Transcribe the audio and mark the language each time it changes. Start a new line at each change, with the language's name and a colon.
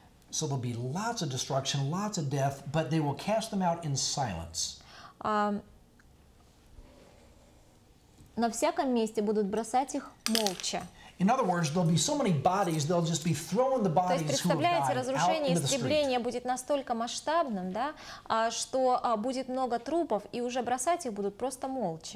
English: So there'll be lots of destruction, lots of death, but they will cast them out in silence.
Russian: На всяком месте будут бросать их молча.
English: In other words, there'll be so many bodies, they'll just be throwing the bodies who have died out into the street.
Russian: Разрушение, истребление будет настолько масштабным, да, что будет много трупов, и уже бросать их будут просто молча.